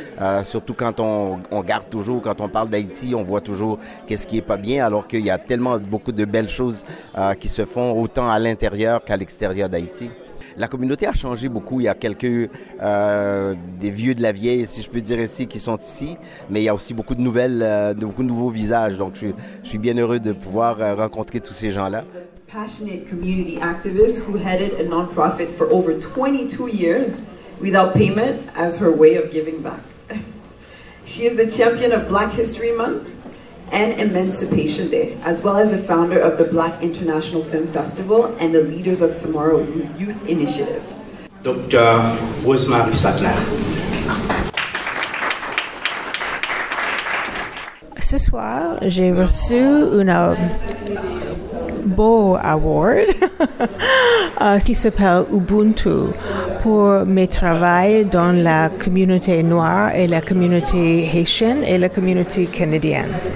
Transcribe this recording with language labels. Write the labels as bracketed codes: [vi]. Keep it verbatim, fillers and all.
[fr] Euh, surtout quand on, on garde toujours, quand on parle d'Haïti, on voit toujours qu'est-ce qui n'est pas bien, alors qu'il y a tellement beaucoup de belles choses euh, qui se font autant à l'intérieur qu'à l'extérieur d'Haïti. La communauté a changé beaucoup. Il y a quelques euh, des vieux de la vieille, si je peux dire ici, qui sont ici, mais il y a aussi beaucoup de nouvelles, euh, beaucoup de nouveaux visages. Donc, je, je suis bien heureux de pouvoir euh, rencontrer tous ces gens-là. [en] Passionate community activist who headed a non-profit for over twenty-two years without payment as her way of giving back. She is the champion of Black History Month and Emancipation Day, as well as the founder of the Black International Film Festival and the Leaders of Tomorrow Youth Initiative. [fr] Docteur Rosemary Sattler. Ce soir, j'ai reçu un beau award qui s'appelle Ubuntu pour mes travaux dans la communauté noire et la communauté haïtienne et la communauté canadienne.